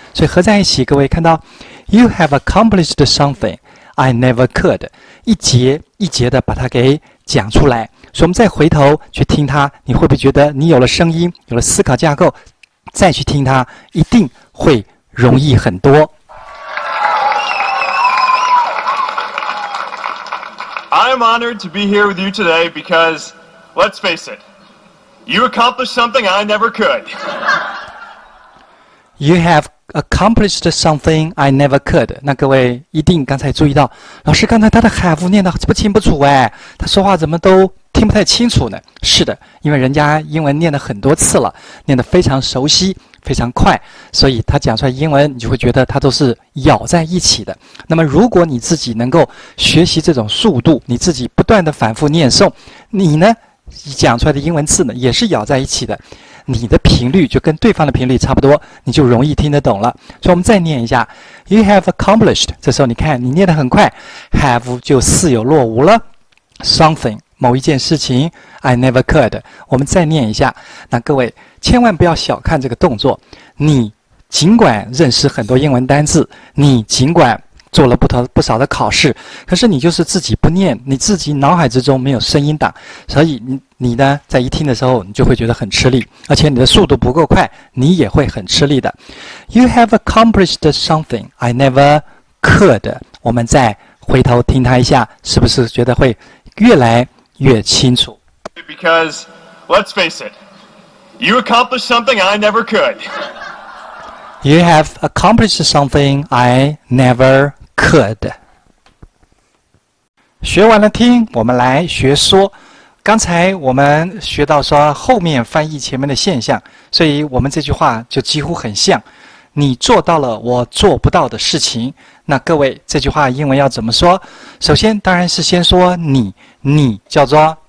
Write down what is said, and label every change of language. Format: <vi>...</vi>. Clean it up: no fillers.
<zh>所以合在一起，各位看到</zh> <en>You have accomplished something I never could，</en> <zh>一节一节的把它给讲出来。所以我们再回头去听它，你会不会觉得你有了声音，有了思考架构，再去听它一定会容易很多。</zh> <en>I am honored to be here with you today because, let's face it, you accomplished something I never could. You have accomplished something I never could.</en> <zh>那各位一定刚才注意到，老师刚才他的 have 念得不清不楚哎，他说话怎么都听不太清楚呢？是的，因为人家英文念了很多次了，念得非常熟悉非常快，所以他讲出来英文你就会觉得他都是咬在一起的。那么如果你自己能够学习这种速度，你自己不断的反复念诵，你呢讲出来的英文字呢也是咬在一起的，你的频率就跟对方的频率差不多，你就容易听得懂了。所以我们再念一下</zh> <en>You have accomplished，</en> <zh>这时候你看你念得很快， have 就似有若无了， something 某一件事情，</zh> <en>I never could。</en> <zh>我们再念一下，那各位千万不要小看这个动作，你尽管认识很多英文单字，你尽管做了不少的考试，可是你就是自己不念，你自己脑海之中没有声音档，所以你呢，在一听的时候，你就会觉得很吃力，而且你的速度不够快，你也会很吃力的。</zh> <en>You have accomplished something I never could。</en> <zh>我们再回头听他一下，是不是觉得会越来越清楚</zh> <en>？Because let's face it, you accomplished something I never could. You have accomplished something I never could.</en> <zh>学完了听，我们来学说。刚才我们学到说后面翻译前面的现象，所以我们这句话就几乎很像。你做到了我做不到的事情。那各位，这句话英文要怎么说？首先当然是先说你叫做</zh>